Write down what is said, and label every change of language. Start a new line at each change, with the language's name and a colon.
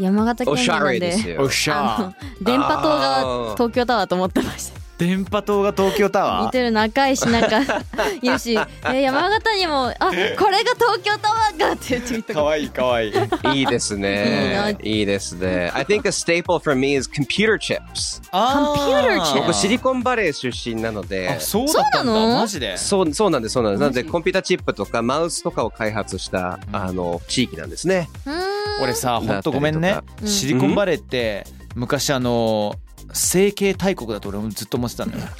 Japanese: 山形県なんで。おしゃれ。電波塔が東京タワーと思ってました。電波塔が東京タワー見てるの赤いし、なんか言うし、山形にもあ、これが東京タワーかって言ってみた、かわいいかわいいいいですね、いいですね。
English: I think a staple for me is computer chips。あー、computer chips。
Japanese: 僕シリコンバレー出身なので。あ、そうだったんだ、マジで。そうなんです、そうなんです。なのでコンピューターチップとかマウスとかを開発した、うん、あの地域なんですね。俺さ、ほんとごめんね、シリコンバレーって、うん、昔あの成形大国だと俺もずっと思ってたんだよ。